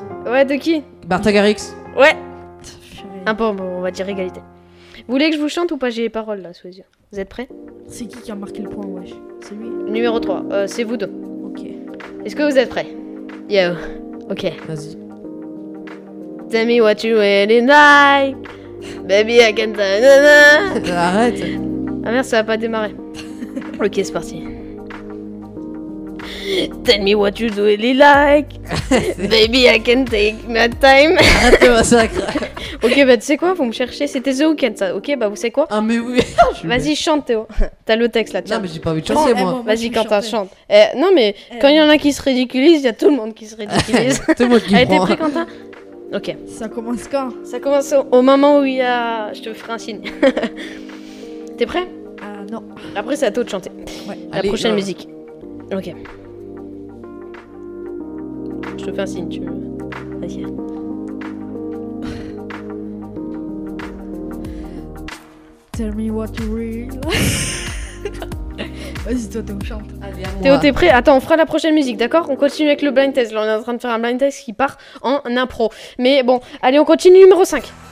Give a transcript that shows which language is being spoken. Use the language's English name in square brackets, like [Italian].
[French] Ouais, de qui? Martha Garrix. Ouais. Un peu, bon, on va dire égalité. Vous voulez que je vous chante ou pas? J'ai les paroles là, sous les yeux. Vous êtes prêts? C'est qui a marqué le point, wesh? C'est lui? Numéro 3, c'est vous deux. Ok. Est-ce que vous êtes prêts? Yo. Ok. Vas-y. [English] Tell me what you really like. Baby, I can't tell. [French] Arrête. Ah merde, ça va pas démarrer. Ok, c'est parti. [English] Tell me what you really like. Baby, I can take my time. [French] Arrête le massacre. Ok, bah tu sais quoi, vous me cherchez. C'était The Weeknd, ça. Ok, bah vous savez quoi. Ah, mais oui. Vas-y, chante, Théo. T'as le texte là, tiens. Non, mais j'ai pas envie de chanter, moi. Vas-y, Quentin, chante. Non, mais quand il y en a qui se ridiculisent, il y a tout le monde qui se ridiculise. C'est moi qui prends. T'es prêt, Quentin? Ok. Ça commence quand? Ça commence au moment où il y a. Je te ferai un signe. T'es prêt? Non. Après, c'est à toi de chanter. Ouais. La allez, prochaine musique. Ok. Je te fais un signe, tu veux. Vas-y. [English] Tell me what you really like. [French] Vas-y, toi, Théo, chante. Allez, à Théo, moi. T'es prêt? Attends, on fera la prochaine musique, d'accord? On continue avec le blind test. Là, on est en train de faire un blind test qui part en impro. Mais bon, allez, on continue numéro 5.